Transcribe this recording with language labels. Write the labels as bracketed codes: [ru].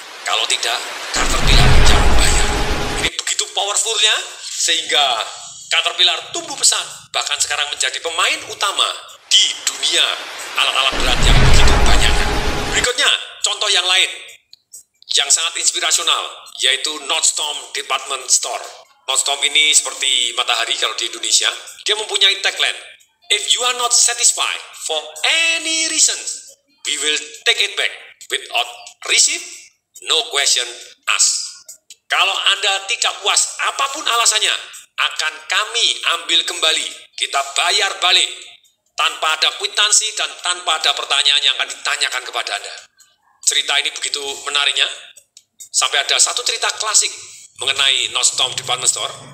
[id] Kalau tidak, Caterpillar jangan bayar. Ini begitu powerfulnya, sehingga Caterpillar tumbuh pesat. Bahkan sekarang menjadi pemain utama di dunia alat-alat berat yang begitu banyaknya. Berikutnya, contoh yang lain yang sangat inspirasional, yaitu Nordstrom Department Store. Nordstrom ini seperti matahari kalau di Indonesia. Dia mempunyai [en] tagline, if you are not satisfied for any reason, we will take it back without receipt, no question asked. [id] Kalau Anda tidak puas, apapun alasannya, akan kami ambil kembali. Kita bayar balik tanpa ada kwitansi dan tanpa ada pertanyaan yang akan ditanyakan kepada Anda. Cerita ini begitu menariknya. Sampai ada satu cerita klasik mengenai Nordstrom Department Store.